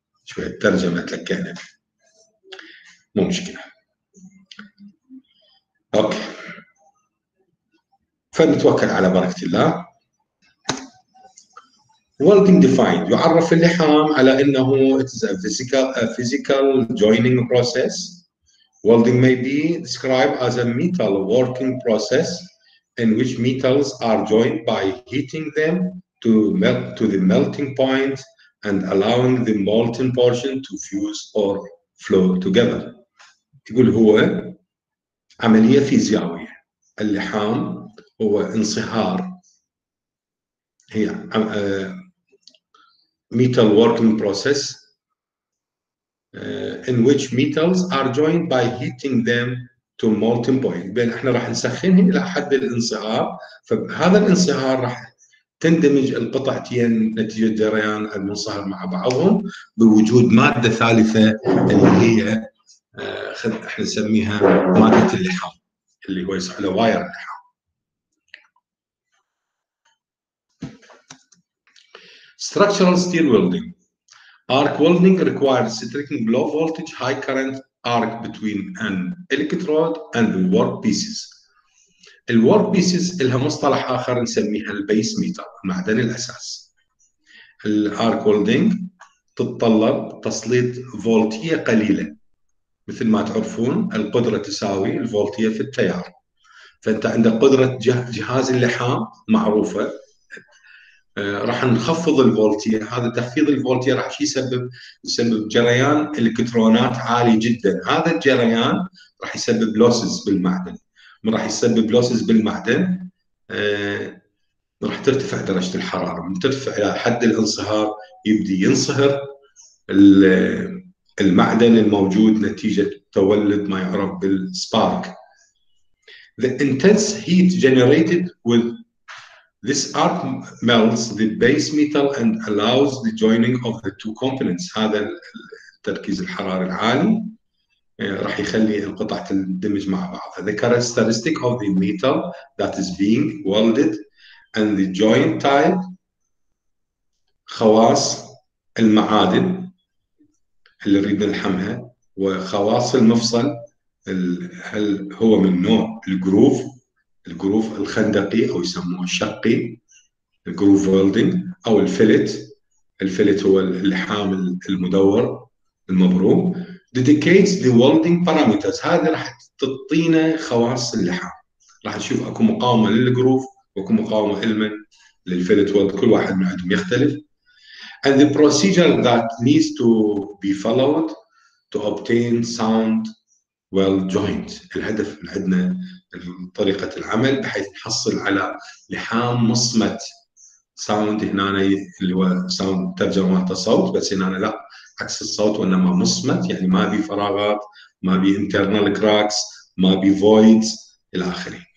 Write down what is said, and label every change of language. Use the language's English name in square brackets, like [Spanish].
[Arabic] شوية ترجمة لك هنا، مو مشكلة. أوكي، فنتوكل على بركة الله. [English] Welding defined، [Arabic] يعرف اللحام على أنه [English] it's a physical joining process. Welding may be described as a metal working process in which metals are joined by heating them to melt to the melting point and allowing the molten portion to fuse or flow together. [Arabic] يقول هو عملية فيزيائية، اللحام هو انصهار، هي [English] metal working process in which metals are joined by heating them to molten point. [Arabic] بين احنا راح نسخنهم الى حد الانصهار، فهذا الانصهار راح تندمج القطعتين نتيجه جريان المنصهر مع بعضهم بوجود ماده ثالثه اللي هي احنا نسميها ماده اللحام، اللي هو يسمى واير اللحام. [English] Structural steel welding. Arc welding requires striking low voltage, high current arc between an electrode and the work pieces. The work pieces [Arabic] لها مصطلح آخر نسميها البيس ميتر، المعدن الأساس. الارك ويلدينج تتطلب تسليط فولتية قليلة. مثل ما تعرفون القدرة تساوي الفولتية في التيار. فأنت عندك قدرة جهاز اللحام معروفة، راح نخفض الفولتية. هذا تخفيض الفولتية راح يسبب جريان الكترونات عالي جدا. هذا الجريان راح يسبب لوسز بالمعدن، من راح يسبب لوسز بالمعدن راح ترتفع درجة الحرارة، من ترتفع إلى حد الانصهار يبدي ينصهر المعدن الموجود نتيجة تولد ما يعرف بالسبارك. [English] The intense heat generated with this arc melts the base metal and allows the joining of the two components. [Arabic] هذا التركيز الحراري العالي راح يخلي القطع تندمج مع بعض. [English] The characteristic of the metal that is being welded and the joint type. [Arabic] خواص المعادن اللي نريد نلحمها وخواص المفصل، هل هو من نوع الجروف، الجروف الخندقي او يسموه الشقي، الجروف ويلدينج، او الفلت. الفلت هو اللحام المدور المبروم. [English] Dedicates the welding parameters، [Arabic] هذا راح تعطينا خواص اللحام، راح نشوف اكو مقاومه للجروف واكو مقاومه المن للفيلت ويلد. كل واحد من عندهم يختلف. [English] And the procedure that needs to be followed to obtain sound weld joint. [Arabic] الهدف من عندنا طريقة العمل بحيث نحصل على لحام مصمت sound. هنا اللي هو sound ترجمة صوت، بس هنا لا عكس الصوت، وإنما مصمت يعني ما بي فراغات، ما بي [English] internal cracks، [Arabic] ما بي voids إلى آخره.